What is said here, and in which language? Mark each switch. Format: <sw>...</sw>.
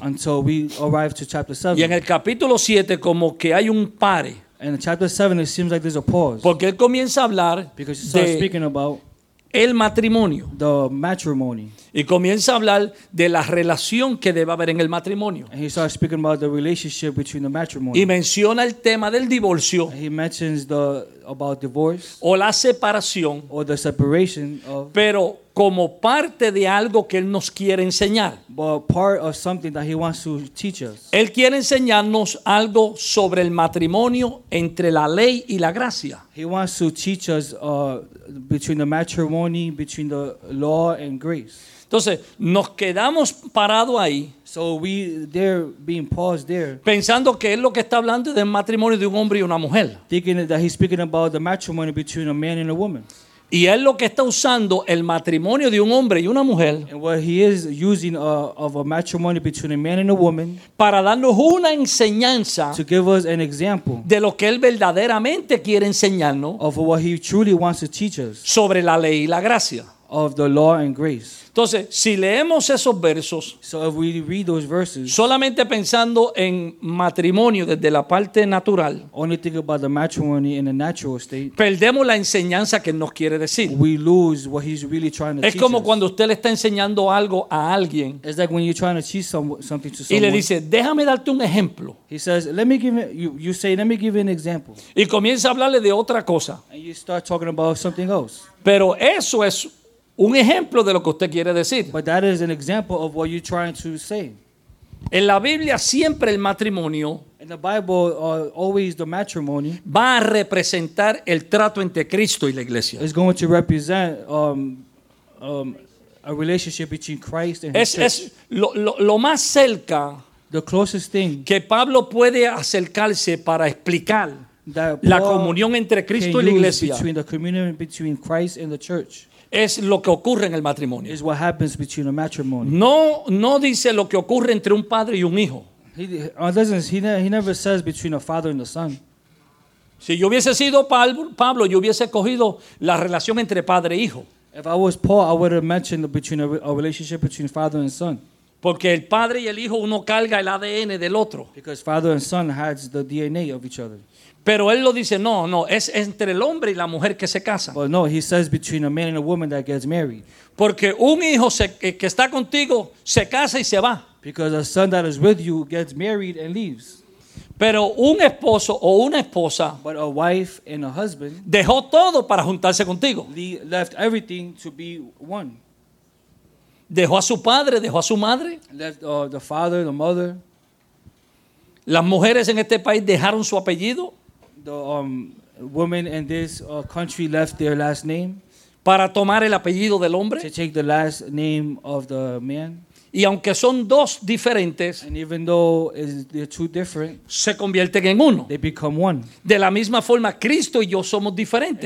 <en>Until we arrive to chapter 7.</en> <es>Y en el capítulo 7 como que hay un pare.</es> <en>In chapter 7, it seems like there's a pause.</en> <es>Porque él comienza a hablar</es> <en>de speaking about</en> <es>el matrimonio.</es> <en>The matrimony.</en> <es>Y comienza a hablar de la relación que debe haber en el matrimonio.</es> <en>And he starts speaking about the relationship between the matrimony.</en> <es>Y menciona el tema del divorcio.</es> <en>And he mentions about divorce.</en> <es>O la separación.</es> <en>Or the separation of.</en> <es>Pero como parte de algo que él nos quiere enseñar.</es> <en>But part of something that he wants to teach us.</en> <es>Él quiere enseñarnos algo sobre el matrimonio entre la ley y la gracia.</es> <en>He wants to teach us between the matrimony, between the law and grace.</en> <es>Entonces, nos quedamos parado ahí.</es> <en>So we there being paused there.</en> <es>Pensando que es lo que está hablando del matrimonio de un hombre y una mujer.</es> <en>Thinking that he's speaking about the matrimony between a man and a woman.</en> <es>Y es lo que está usando el matrimonio de un hombre y una mujer.</es> <en>And what he is using of a matrimony between a man and a woman.</en> <es>Para darnos una enseñanza.</es> <en>To give us an example.</en> <es>De lo que él verdaderamente quiere enseñarnos.</es> <en>Of what he truly wants to teach us.</en> <es>Sobre la ley y la gracia.</es> <en>Of the law and grace.</en> <es>Entonces, si leemos esos versos.</es> <en>So if we read those verses.</en> <es>Solamente pensando en matrimonio desde la parte natural.</es> <en>Only think about the matrimony in a natural state.</en> <es>Perdemos la enseñanza que nos quiere decir.</es> <en>We lose what he's really trying to teach us.</en> <es>Es como cuando usted le está enseñando algo a alguien.</es> <en>It's like when you're trying to teach something to someone.</en> <es>Y le dice, déjame darte un ejemplo.</es> <en>He says, let me give you an example.</en> <es>Y comienza a hablarle de otra cosa.</es> <en>And you start talking about something else.</en> <es>Pero eso es un ejemplo de lo que usted quiere decir.</es> <en>But that is an example of what you're trying to say.</en> <es>En la Biblia siempre el matrimonio</es> <en>in the Bible, always the matrimony</en> <es>va a representar el trato entre Cristo y la iglesia.</es> <en>It's going to represent a relationship between Christ and his church.</en> <es>Es lo más cerca</es> <en>the closest thing</en> <es>que Pablo puede acercarse para explicar la comunión entre Cristo y la iglesia</es> <en>between the communion between Christ and the church.</en> <es>Es lo que ocurre en el matrimonio.</es> <en>Is what happens between a matrimony.</en> <es>No dice lo que ocurre entre un padre y un hijo.</es> <en>He never says between a father and a son.</en> <es>Si yo hubiese sido Pablo, yo hubiese cogido la relación entre padre e hijo.</es> <en>If I was Paul, I would have mentioned between a relationship between father and son.</en> <es>Porque el padre y el hijo uno carga el ADN del otro.</es> <en>Because father and son has the DNA of each other.</en> <es>Pero él lo dice, no, es entre el hombre y la mujer que se casan.</es> <en>Well, no, he says between a man and a woman that gets married.</en> <es>Porque un hijo que está contigo se casa y se va.</es> <en>Because a son that is with you gets married and leaves.</en> <es>Pero un esposo o una esposa</es> <en>but a wife and a husband</en> <es>dejó todo para juntarse contigo.</es> <en>Left everything to be one.</en> <es>Dejó a su padre, dejó a su madre.</es> <en>Left the father, the mother.</en> <es>Las mujeres en este país dejaron su apellido.</es> <en>The woman in this country left their last name</en> <es>para tomar el apellido del hombre.</es> <en>To take the last name of the man.</en> <es>Y aunque son dos diferentes,</es> <en>and even though they're two different,</en> <es>se convierten en uno.</es> <en>They become one.</en> <es>De la misma forma, Cristo y yo somos diferentes.</es>